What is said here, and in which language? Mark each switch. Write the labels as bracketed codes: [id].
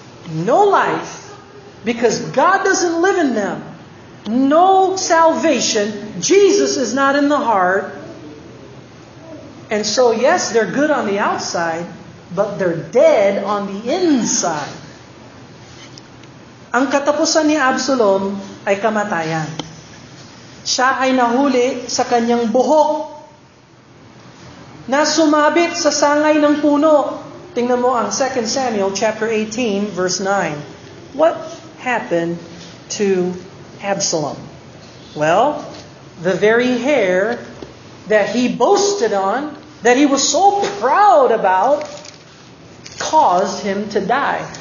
[en] No life. Because God doesn't live in them. No salvation. Jesus is not in the heart. And so, yes, they're good on the outside, but they're dead on the inside. [tl] Ang katapusan ni Absalom ay kamatayan. Siya ay nahuli sa kanyang buhok na sumabit sa sangay ng puno. Tingnan mo ang 2 Samuel chapter 18, verse 9. [en] What happened to Absalom? Well, the very hair that he boasted on, that he was so proud about, caused him to die.